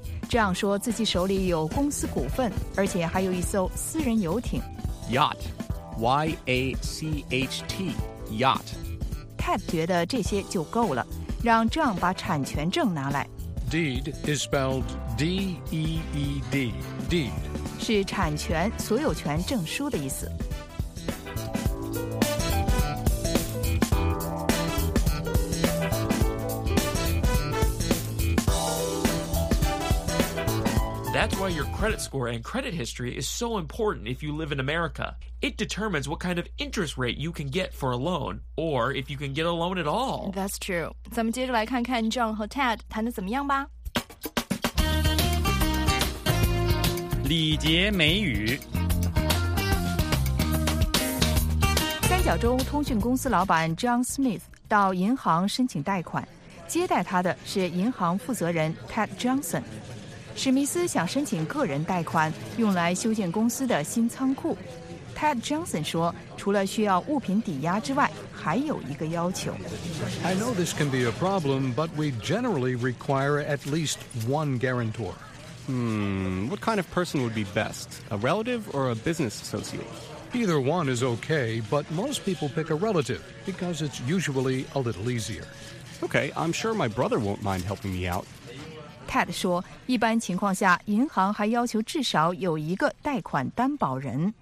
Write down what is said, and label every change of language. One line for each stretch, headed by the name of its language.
Chinese: 这样说自己手里有公司股份，而且还有一艘私人游艇。
English: Yacht. Y-A-C-H-T. Yacht.
Chinese: Ted 觉得这些就够了。让 John 把产权证拿来。
English: Deed is spelled D-E-E-D, deed.
Chinese: 是产权、所有权证书的意思。
English: That's why your credit score and credit history is so important if you live in America. It determines what kind of interest rate you can get for a loan, or if you can get a loan at all. That's true.
Chinese: 咱们接着来看看 John 和 Ted 谈得怎么样吧。礼节美语。三角洲通讯公司老板 John Smith 到银行申请贷款，接待他的是银行负责人 Ted Johnson。史密斯想申请个人贷款，用来修建公司的新仓库。 Ted Johnson 说，除了需要物品抵押之外，还有一个要求。
English: I know this can be a problem, but we generally require at least one guarantor. What kind of person would be best? A relative or a business associate? Either one is okay, but most people pick a relative because it's usually a little easier. Okay, I'm sure my brother won't mind helping me out.
Chinese: Ted 说，一般情况下，银行还要求至少有一个贷款担保人。